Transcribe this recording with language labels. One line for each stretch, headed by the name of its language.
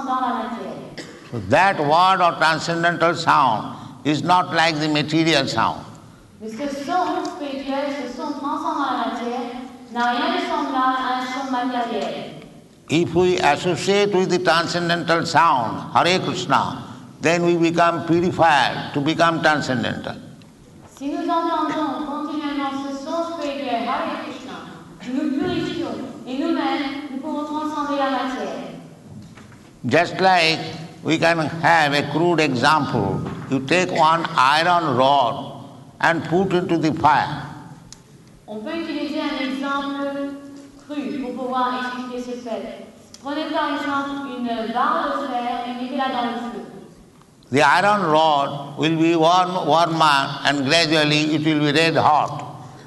English: So that word or transcendental sound is not like the material sound. If we associate with the transcendental sound, Hare Krishna, then we become purified to become transcendental.
French: Si nous entendons continuellement ce son spirituel, Hare Krishna, nous purifions et nous-mêmes, nous pouvons transcender la matière.
English: Just like we can have a crude example, you take one iron rod and put into the fire.
French: On peut utiliser un exemple cru pour pouvoir expliquer ce fait. Prenez par exemple une barre de fer et mettez-la dans le feu.
English: The iron rod will be warmer and gradually it will be red hot.